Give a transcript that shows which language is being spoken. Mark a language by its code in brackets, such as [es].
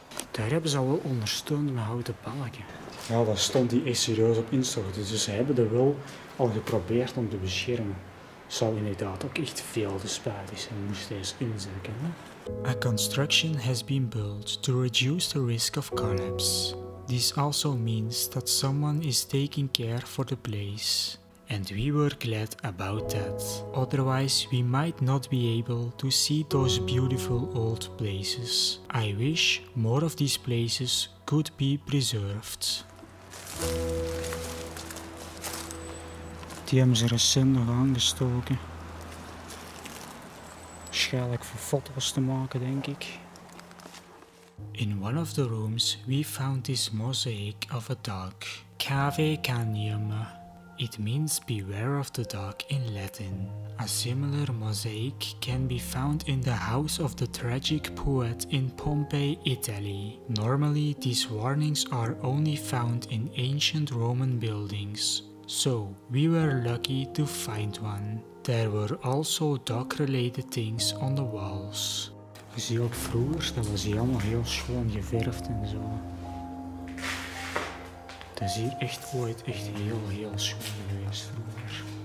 [nl] Daar hebben ze al wel ondersteund met houten balken. Ja, daar stond die echt serieus op instorten. Dus ze hebben er wel al geprobeerd om te beschermen. Zou inderdaad ook echt veel te spijtig zijn, moest deze inzakken. [en] A construction has been built to reduce the risk of collapse. This also means that someone is taking care for the place. And we were glad about that. Otherwise, we might not be able to see those beautiful old places. I wish more of these places could be preserved. [nl] Die hebben ze recent nog aangestoken. Waarschijnlijk voor foto's te maken, denk ik. [en] In one of the rooms, we found this mosaic of a dog. Cave Canium. It means beware of the dog in Latin. A similar mosaic can be found in the house of the tragic poet in Pompeii, Italy. Normally, these warnings are only found in ancient Roman buildings. So, we were lucky to find one. There were also dog-related things on the walls. [nl] Je ziet ook vroeger, dat was hier allemaal heel schoon geverfd en zo. Dat is hier echt ooit echt heel, heel schoon geweest vroeger.